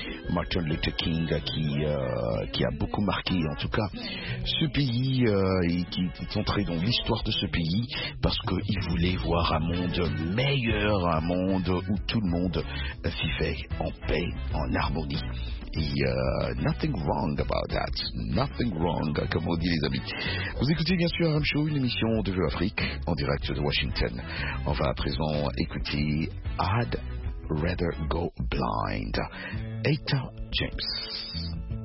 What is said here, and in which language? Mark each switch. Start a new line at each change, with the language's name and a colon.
French: Martin Luther King qui a beaucoup marqué en tout cas ce pays et qui est entré dans l'histoire de ce pays parce qu'il voulait voir un monde meilleur, un monde où tout le monde vivait en paix, en harmonie. Et
English: nothing wrong about that. Nothing wrong,
French: comme on dit les amis. Vous écoutez bien sûr Aram Chou, une émission de Vue Afrique en direct de Washington. On va à présent écouter I'd Rather Go Blind, Etta James.